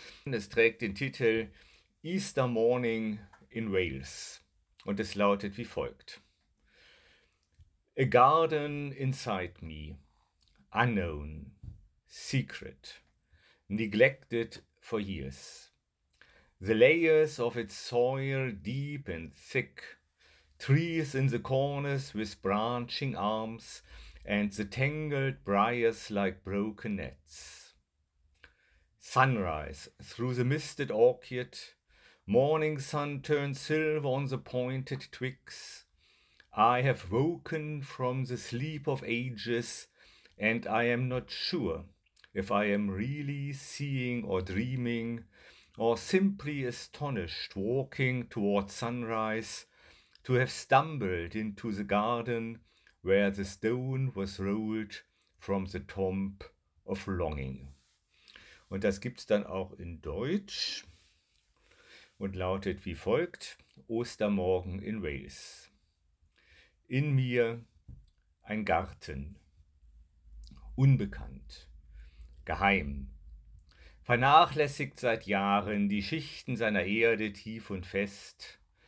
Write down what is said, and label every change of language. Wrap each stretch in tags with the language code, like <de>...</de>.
<de>Es trägt den Titel Easter Morning in Wales und es lautet wie folgt:</de> <en>A garden inside me, unknown, secret, neglected for years. The layers of its soil deep and thick. Trees in the corners with branching arms and the tangled briars like broken nets. Sunrise through the misted orchid, morning sun turns silver on the pointed twigs. I have woken from the sleep of ages and I am not sure if I am really seeing or dreaming or simply astonished walking towards sunrise. To have stumbled into the garden where the stone was rolled from the tomb of longing.</en> <de>Und das gibt's dann auch in Deutsch und lautet wie folgt: Ostermorgen in Wales. In mir ein Garten, unbekannt, geheim, vernachlässigt seit Jahren die Schichten seiner Erde tief und fest.</de>